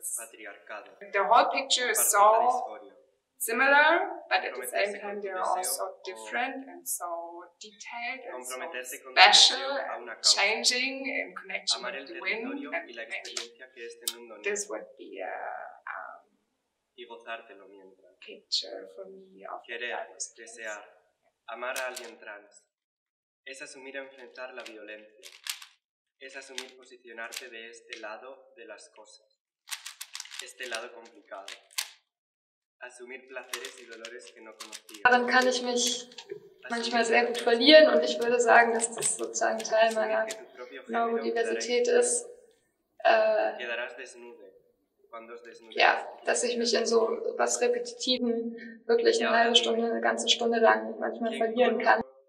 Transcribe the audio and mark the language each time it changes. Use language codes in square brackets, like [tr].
[en] The whole picture is so similar, but at the same time they are also different and so detailed and so special and changing in connection with the wind. And maybe this would be a picture for me of [es] desear amar a alguien trans es asumir enfrentar la violencia, es asumir posicionarte de este lado de las cosas, este lado complicado, asumir placeres y dolores que no conocía. [de] Darin kann ich mich manchmal sehr gut verlieren und ich würde sagen, dass das sozusagen Teil meiner Neurodiversität ist. [es] Quedarás desnude. [de] Ja, dass ich mich in so was Repetitivem wirklich eine halbe Stunde, eine ganze Stunde lang manchmal verlieren kann.